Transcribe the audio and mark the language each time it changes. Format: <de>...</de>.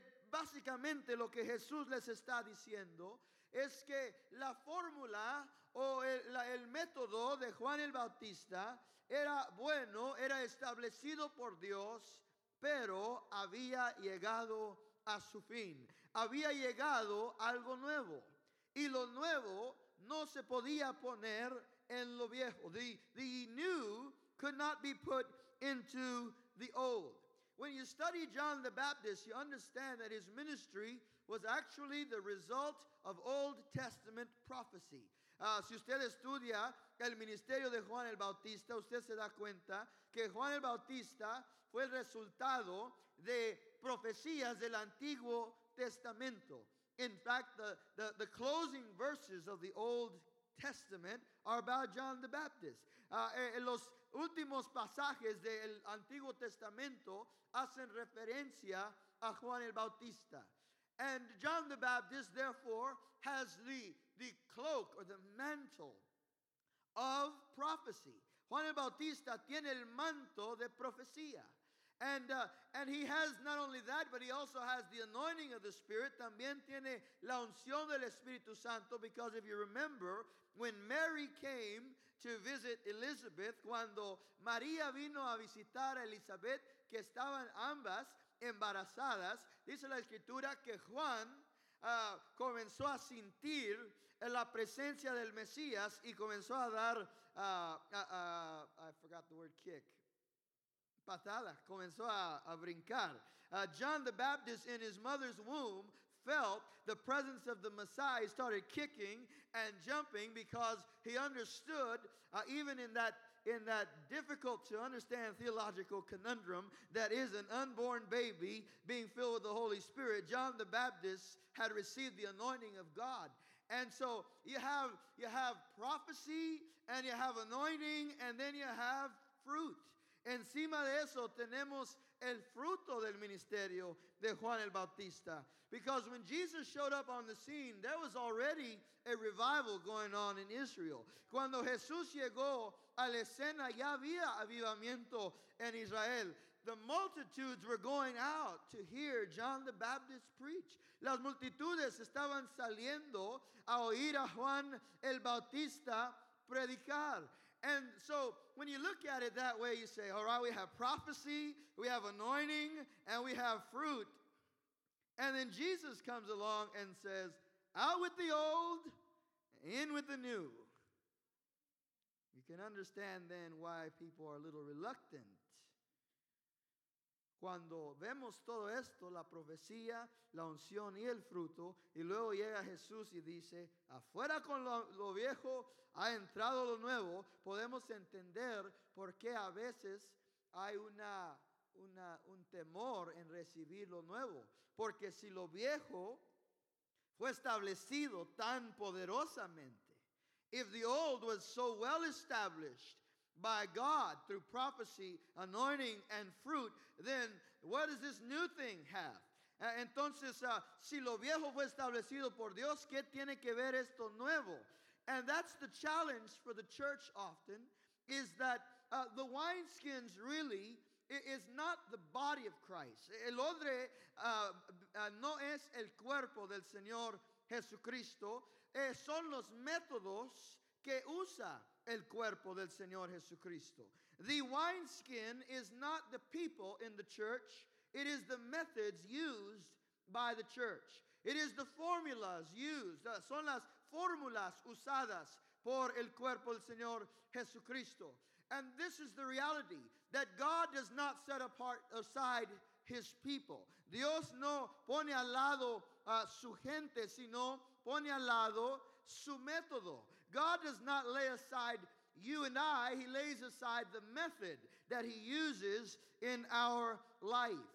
<es>básicamente lo que Jesús les está diciendo es que la fórmula o el método de Juan el Bautista era bueno, era establecido por Dios, pero había llegado a su fin. Había llegado algo nuevo. Y lo nuevo no se podía poner en lo viejo.</es> <en>The new could not be put into the old. When you study John the Baptist, you understand that his ministry was actually the result of Old Testament prophecy.</en> <es>Si usted estudia el ministerio de Juan el Bautista, usted se da cuenta que Juan el Bautista fue el resultado de profecías del Antiguo Testamento.</es> <en>In fact, the closing verses of the Old Testament are about John the Baptist.</en> <es>Los últimos pasajes del Antiguo Testamento hacen referencia a Juan el Bautista.</es> <en>And John the Baptist, therefore, has the cloak or the mantle of prophecy.</en> <es>Juan el Bautista tiene el manto de profecía.</es> <en>And he has not only that, but he also has the anointing of the Spirit.</en> <es>También tiene la unción del Espíritu Santo.</es> <en>Because if you remember, when Mary came to visit Elizabeth,</en> <es>cuando María vino a visitar a Elizabeth, que estaban ambas embarazadas, dice la Escritura que Juan comenzó a sentir la presencia del Mesías y comenzó a dar,</es> <en>I forgot the word kick.</en> <es>Patada, comenzó a brincar.</es> <en>John the Baptist in his mother's womb felt the presence of the Messiah. He started kicking and jumping because he understood, even in that difficult to understand theological conundrum that is an unborn baby being filled with the Holy Spirit, John the Baptist had received the anointing of God. And so you have prophecy and you have anointing and then you have fruit.</en> <es>Encima de eso tenemos el fruto del ministerio de Juan el Bautista.</es> <en>Because when Jesus showed up on the scene, there was already a revival going on in Israel.</en> <es>Cuando Jesús llegó a la escena, ya había avivamiento en Israel.</es> <en>The multitudes were going out to hear John the Baptist preach.</en> <es>Las multitudes estaban saliendo a oír a Juan el Bautista predicar.</es> <en>And so when you look at it that way, you say, all right, we have prophecy, we have anointing, and we have fruit. And then Jesus comes along and says, out with the old, in with the new. You can understand then why people are a little reluctant.</en> <es>Cuando vemos todo esto, la profecía, la unción y el fruto, y luego llega Jesús y dice, afuera con lo viejo, ha entrado lo nuevo, podemos entender por qué a veces hay un temor en recibir lo nuevo. Porque si lo viejo fue establecido tan poderosamente,</es> <en>if the old was so well established by God through prophecy, anointing, and fruit, then what does this new thing have?</en> <es>Entonces, si lo viejo fue establecido por Dios, ¿qué tiene que ver esto nuevo?</es> <en>And that's the challenge for the church often, is that the wineskins really is not the body of Christ.</en> <es>El odre no es el cuerpo del Señor Jesucristo, son los métodos que usa el cuerpo del Señor Jesucristo.</es> <en>The wineskin is not the people in the church. It is the methods used by the church. It is the formulas used.</en> <es>Son las fórmulas usadas por el cuerpo del Señor Jesucristo.</es> <en>And this is the reality, that God does not set apart aside his people.</en> <es>Dios no pone al lado su gente, sino pone al lado su método.</es> <en>God does not lay aside you and I. He lays aside the method that he uses in our life.</en>